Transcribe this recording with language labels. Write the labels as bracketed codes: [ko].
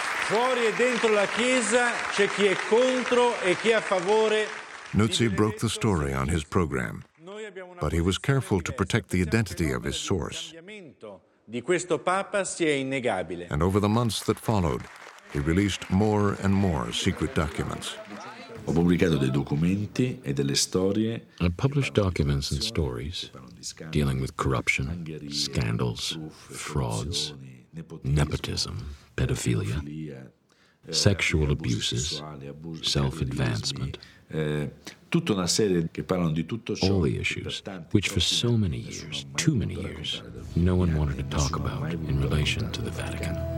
[it] Fuori e dentro la chiesa c'è chi è contro e chi è a favore. [en] Nuzzi broke the story on his program, but he was careful to protect the identity of his source. [it] Di questo Papa si è innegabile. [en] And over the months that followed, he released more and more secret documents. I published documents and stories dealing with corruption, scandals, frauds, nepotism, pedophilia, sexual abuses, self-advancement, all the issues, which for so many years, too many years, no one wanted to talk about in relation to the Vatican.